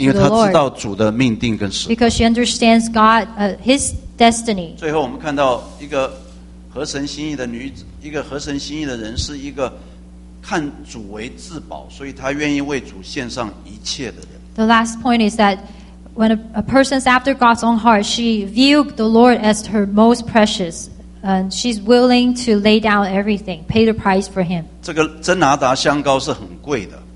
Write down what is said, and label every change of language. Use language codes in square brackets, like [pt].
[zh] 因为她知道主的命定跟时刻。 [en] Because she understands God, His destiny. [zh] 最后我们看到一个合神心意的女子，一个合神心意的人，是一个看主为至宝，所以她愿意为主献上一切的人。 [en] The last point is that when a person's after God's own heart, she viewed the Lord as her most precious. And she's willing to lay down everything, pay the price for him. [zh] 这个真拿达香膏是很贵的。